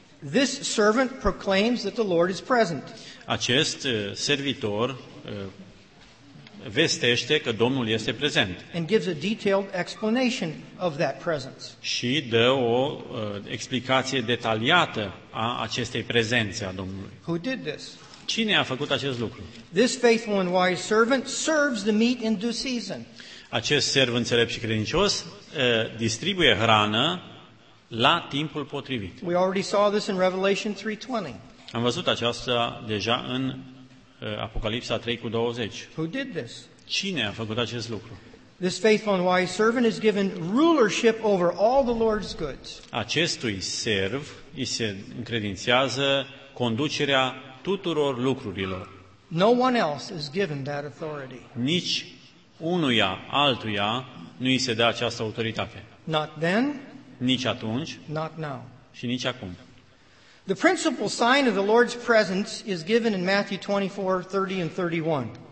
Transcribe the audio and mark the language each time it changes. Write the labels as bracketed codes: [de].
[en] This servant proclaims that the Lord is present. [ro] Acest servitor vestește că Domnul este prezent. [en] And gives a detailed explanation of that presence. [ro] Și dă o explicație detaliată a acestei prezențe a Domnului. [en] Who did this? [ro] Cine a făcut acest lucru? [en] This faithful and wise servant serves the meat in due season. [ro] Acest serv înțelept și credincios distribuie hrană la timpul potrivit. [en] We already saw this in Revelation 3:20. [ro] Am văzut aceasta deja în Apocalipsa 3:20. [en] Who did this? [ro] Cine a făcut acest lucru? [en] This faithful and wise servant is given rulership over all the Lord's goods. [ro] Acestui serv îi se încredințează conducerea tuturor lucrurilor. [en] No one else is given that authority. [ro] Nici unuia altuia nu îi se dă această autoritate. [en] Not then, [ro] nici atunci, [en] not now. [ro] Și nici acum. [en] The principal sign of the Lord's presence is given in Matthew 24:30 and 31.